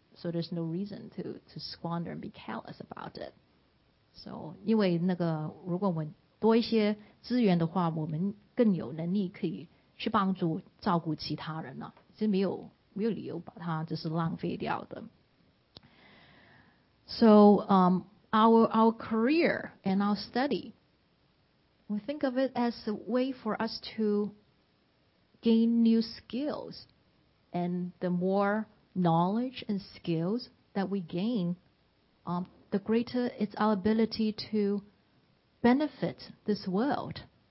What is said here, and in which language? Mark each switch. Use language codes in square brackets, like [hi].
[en] So there's no reason to squander and be careless about it. [zh] So 因为那个如果我们多一些资源的话，我们更有能力可以去帮助照顾其他人了，是没有理由把它就是浪费掉的。 [en] So our career and our study, we think of it as a way for us to gain new skills, and the more knowledge and skills that we gain, the greater is our ability to benefit this world.